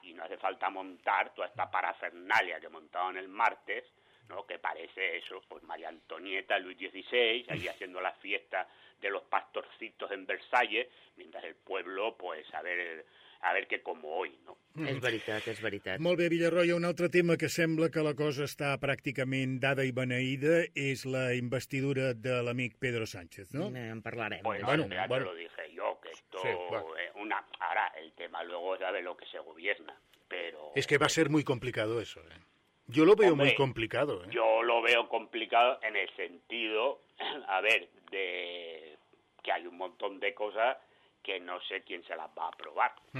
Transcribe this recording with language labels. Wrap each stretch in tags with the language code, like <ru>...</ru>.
<es>Y no hace falta montar toda esta parafernalia que montaron el martes, ¿no? Que parece eso, pues María Antonieta, Luis XVI, ahí haciendo la fiesta de los pastorcitos en Versalles, mientras el pueblo, pues, a ver qué como hoy, ¿no?</es> <ca>És veritat. Molt bé, Villarroya, un altre tema que sembla que la cosa està pràcticament dada i beneïda és la investidura de l'amic Pedro Sánchez, ¿no? En parlarem.</ca> <es>Bueno, lo dije yo, que esto... Sí, bueno. Ahora, el tema luego es saber lo que se gobierna, pero... Es que va a ser muy complicado eso, ¿eh? Yo lo veo muy complicado, ¿eh? Yo lo veo complicado en el sentido, a ver, de que hay un montón de cosas que no sé quién se las va a aprobar.</es>